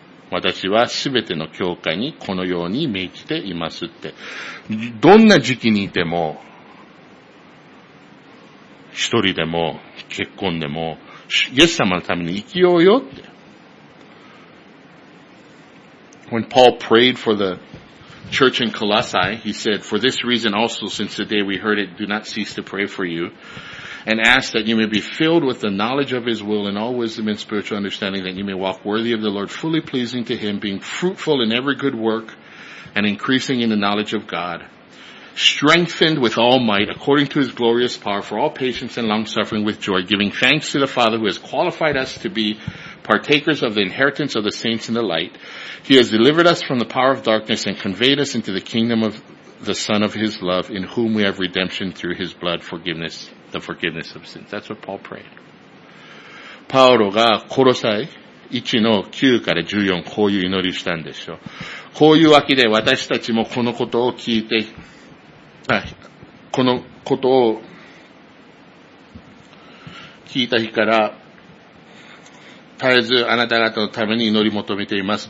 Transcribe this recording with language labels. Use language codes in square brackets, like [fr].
[ja] 私はすべての教会にこのように命じていますって。どんな時期にいても、一人でも結婚でも、イエス様のために生きようよって。 [en] When Paul prayed for theChurch in Colossae, he said, for this reason also, since the day we heard it, do not cease to pray for you and ask that you may be filled with the knowledge of his will in all wisdom and spiritual understanding, that you may walk worthy of the Lord, fully pleasing to him, being fruitful in every good work and increasing in the knowledge of God, strengthened with all might according to his glorious power for all patience and long suffering with joy, giving thanks to the Father who has qualified us to be partakers of the inheritance of the saints in the light. He has delivered us from the power of darkness and conveyed us into the kingdom of the Son of His love, in whom we have redemption through His blood, forgiveness, the forgiveness of sins. That's what Paul prayed. [ja] パウロがコロサイ1の9から14こういう祈りしたんでしょう。こういうわけで私たちもこのことを聞いて、このことを聞いた日から絶えずあなた方のために祈り求めています。